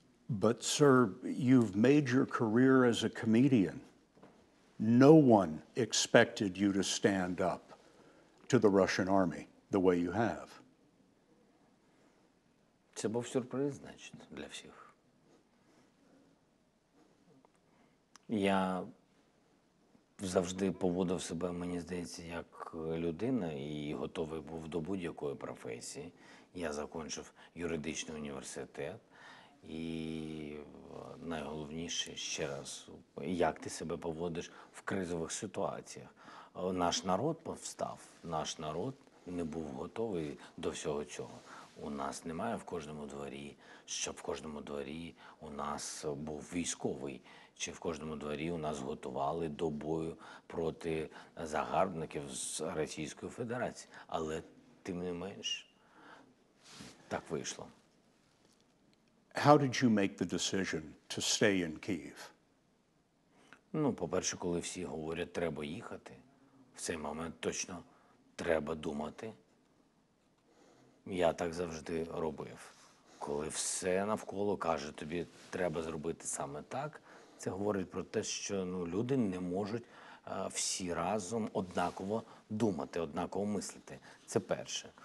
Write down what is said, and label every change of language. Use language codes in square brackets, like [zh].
[en] But, sir, you've made your career as a comedian. No one expected you to stand up to the Russian army the way you have. [uk] Це був сюрприз, значить, для всіх. Я завжди поводив себе, мені здається, як людина і готовий був до будь-якої професії. Я закінчив юридичний університет. І найголовніше, ще раз, як ти себе поводиш в кризових ситуаціях. Наш народ повстав, наш народ не був готовий до всього цього. У нас немає в кожному дворі, щоб в кожному дворі у нас був військовий, чи в кожному дворі у нас готували до бою проти загарбників з Російської Федерації. Але, тим не менш, так вийшло. [en] How did you make the decision to stay in Kyiv? [uk] Ну, по-перше, коли всі говорять, треба їхати, в цей момент точно треба думати. Я так завжди робив. Коли все навколо каже тобі, треба зробити саме так, це говорить про те, що люди не можуть всі разом однаково думати, однаково мислити. Це перше.